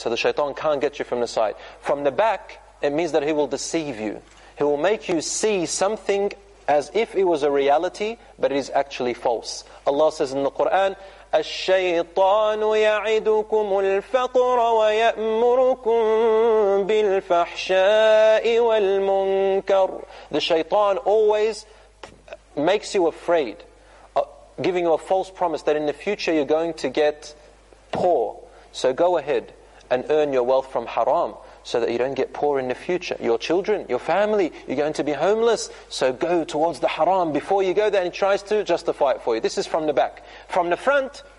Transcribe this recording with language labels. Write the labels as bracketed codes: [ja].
[en] So the shaitan can't get you from the side. From the back, it means that he will deceive you. He will make you see something as if it was a reality, but it is actually false. Allah says in the Quran, [ar] الشيطان يعدكم الفقر ويأمركم بالفحشاء والمنكر. [en] The shaitan always makes you afraid, giving you a false promise that in the future you're going to get poor. So go ahead and earn your wealth from haram, so that you don't get poor in the future. Your children, your family, you're going to be homeless. So go towards the haram. Before you go there, and he tries to justify it for you. This is from the back. From the front,